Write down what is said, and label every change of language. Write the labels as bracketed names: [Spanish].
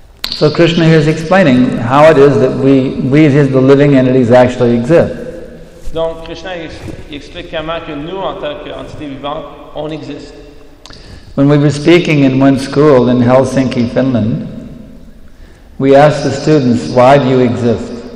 [English] So Krishna here is explaining how it is that we as the living entities actually exist. [French] Donc Krishna explique comment que nous en tant qu'entité vivante on existe. [English] When we were speaking in one school in Helsinki, Finland, we asked the students, why do you exist?